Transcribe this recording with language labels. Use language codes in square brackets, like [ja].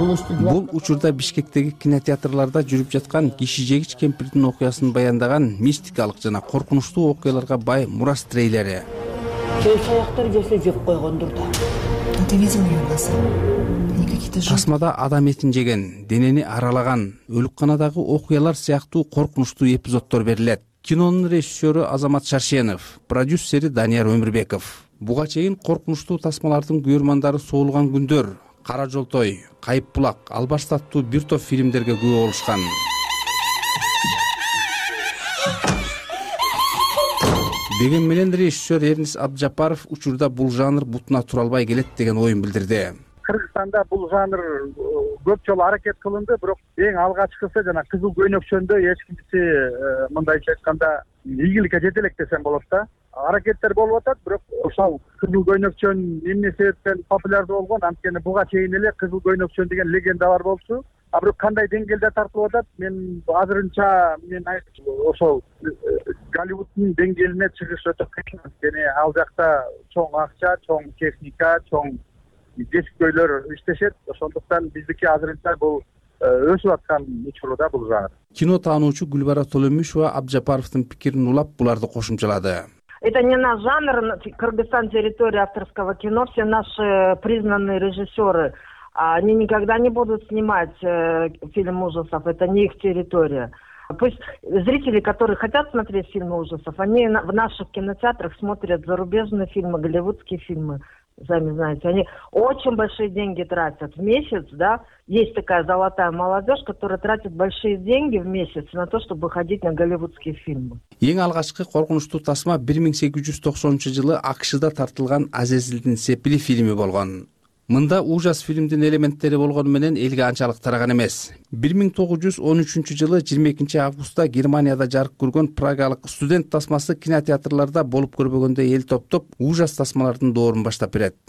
[ky] Бул учурда Бишкектеги кинотеатрларда жүрүп жаткан киши жегич кемпирдин окуясын баяндаган мистикалык жана коркунучтуу окуяларга бай мурас трейлери. Тасмада адам этин жеген, денени аралаган, өлүкканадагы окуялар сыяктуу коркунучтуу эпизоддор берилет. Кинонун режиссёру Азамат Шаршенов, продюсери Данияр Өмүрбеков. Буга чейин коркунучтуу тасмалардын көрөрмандары Суулган күндөр, Кара жолтой, Кайып булак, Албаш таттуу бир топ фильмдерге күбө болушкан. Деген менен режиссер Эрнис Абдыжапаров учурда бул жанр бутуна тура албай келет деген оюн билдирди. Кыргызстанда бул жанр көп жолу аракет кылынды, бирок эң алгачкысы жана кызыл көйнөкчөндө эч кимиси мындайча айтканда ийгиликке жете элек десем болот да. Аракеттер болуп атат, бирок ошол кызыл көйнөкчөн эмне себептен популярдуу болгон, анткени буга чейин эле кызыл көйнөкчөн деген легендалар болчу. А бирок кандай деңгээлде тартылып атат, мен азырынча мен ошол Голливуддун деңгээлине чыгыш өтө кыйын. Анткени ал жакта чоң акча, чоң техника, чоң жетишкөйлөр иштешет. Ошондуктан биздики азырынча бул өсүп аткан учурда бул жанр. Кино таануучу Гүлбара Толомишова Абдыжапаровдун пикирин улап, буларды кошумчалады. [ru] Это не наш жанр, Кыргызстан территория авторского кино, все наши признанные режиссеры. Они никогда не будут снимать фильм ужасов, это не их территория. Пусть зрители, которые хотят смотреть фильмы ужасов, они в наших кинотеатрах смотрят зарубежные фильмы, голливудские фильмы, сами знаете. Они очень большие деньги тратят в месяц, да. Есть такая золотая молодежь, которая тратит большие деньги в месяц на то, чтобы ходить на голливудские фильмы. [ky] Эң алгачкы коркунучтуу тасма 1890-жылы АКШ-да тартылган Азазилдин Сепили фильмы болгон. Мында ужас фильмдин элементтери болгону менен элге анчалык тараган эмес. 1913 жылы 22 августта Германияда жарык көргөн прагалык студент тасмасы кинотеатрларда болуп көрбөгөндө эл топтоп ужас тасмалардын доорун баштап берет.